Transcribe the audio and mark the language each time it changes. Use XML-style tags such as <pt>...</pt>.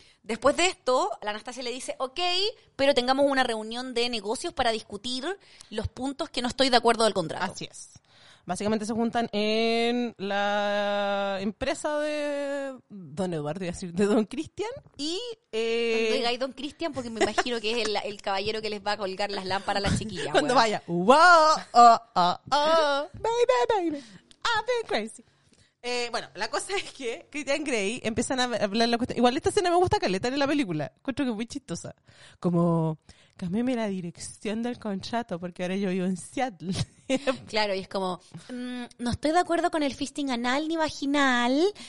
<es>después de esto, la Anastasia le dice, ok, pero tengamos una reunión de negocios para discutir los puntos que no estoy de acuerdo del contrato. Así es. Básicamente se juntan en la empresa de don Eduardo, voy a decir, de don Cristian. Y cuando diga don Cristian, porque me imagino que es el caballero que les va a colgar las lámparas a la chiquilla. Cuando bueno.</es> <en>Vaya, wow, oh, oh, baby, baby, I've been crazy.</en> <es>Bueno, la cosa es que Christian Grey empiezan a hablar la cuestión. Igual esta escena me gusta caleta en la película. Encuentro que es muy chistosa. Como, cámbiame la dirección del contrato porque ahora yo vivo en Seattle. Claro, y es como, no estoy de acuerdo con el fisting anal ni vaginal.</es>